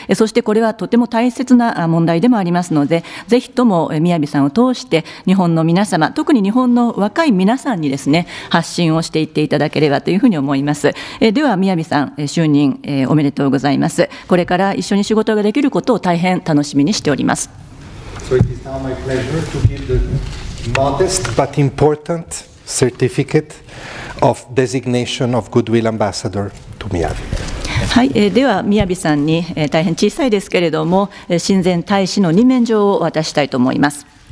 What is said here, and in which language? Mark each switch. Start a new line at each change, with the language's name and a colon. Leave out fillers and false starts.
Japanese: そしてこれはとても大切な問題でもありますので、ぜひとも宮城さんを通して日本の皆様、特に日本の若い皆さんにですね、発信をしていっていただければというふうに思います。では宮城さん、就任おめでとうございます。これから一緒に仕事ができることを大変楽しみにしております。
English: So it is now my pleasure to give the modest but important certificate of designation of goodwill ambassador to Miyavi.
Japanese: はい、では宮城さんに大変小さいですけれども親善大使の任免状を渡したいと思います。